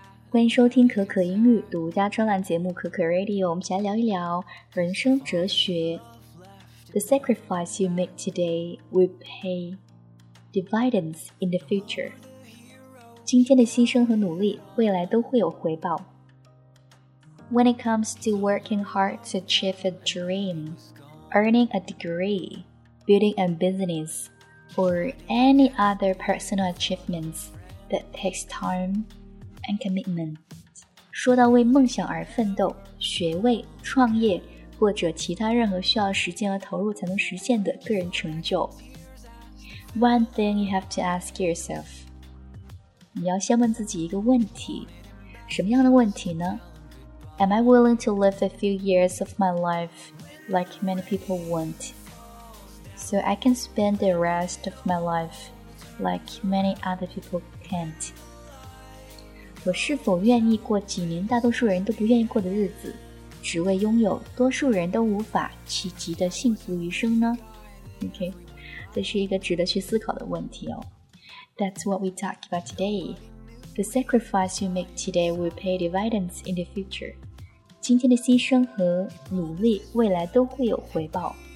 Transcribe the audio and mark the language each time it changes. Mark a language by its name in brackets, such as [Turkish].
[Chinese] 欢迎收听可可英语独家专栏节目可可 Radio， 我们一起来聊一聊人生哲学。 [English] The sacrifice you make today will pay dividends in the future. [Chinese] 今天的牺牲和努力未来都会有回报。 [English] When it comes to working hard to achieve a dream, earning a degree, building a business, or any other personal achievements that takes time and commitment. [Chinese] 说到为梦想而奋斗，学位、创业，或者其他任何需要时间和投入才能实现的个人成就。 [English] One thing you have to ask yourself. [Chinese] 你要先问自己一个问题，什么样的问题呢？ [English] Am I willing to live a few years of my life like many people want, so I can spend the rest of my life like many other people can't? [Chinese] 我是否愿意过几年大多数人都不愿意过的日子，只为拥有多数人都无法企及的幸福余生呢？ OK, 这是一个值得去思考的问题哦。 [English] That's what we talk about today. The sacrifice you make today will pay dividends in the future. [Chinese] 今天的牺牲和努力未来都会有回报。